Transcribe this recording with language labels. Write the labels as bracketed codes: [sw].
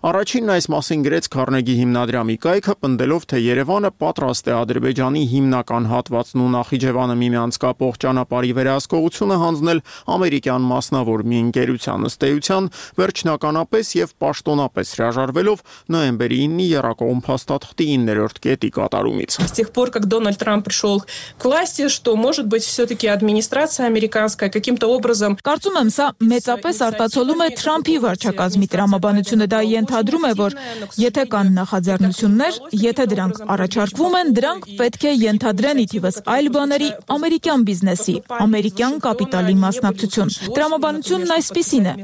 [hy] Առաջինն այս մասին գրեց Քառնեգի հիմնադրամի կայքը, պնդելով, թե Երևանը պատրաստ է Ադրբեջանի հիմնական հատվածն ու Նախիջևանը միմյանց կապող ճանապարհի վերահսկողությունը հանձնել ամերիկյան մասնավոր մի ընկերության ըստեյության, վերջնականապես և պաշտոնապես հրաժարվելով նոյեմբերի 9-ի եռակողմ փաստաթղթի 9-րդ կետի կատարումից։ [ru] С тех пор, как Дональд Трамп пришёл к власти, что, может быть, всё-таки администрация американская каким-то образом [hy] Կարծում եմ, սա մեծապես արտացոլում է Թրամփի վարչակազմի տրամաբանությունը, դա ենթադրում է, որ եթե կան նախաձեռնություններ, եթե դրանք առաջարկվում են, դրանք պետք է ենթադրեն իթիվս այլ բաների ամերիկյան բիզնեսի, ամերիկյան կապիտալի մասնակցություն։ Տրամաբանությունն այսպիսին է.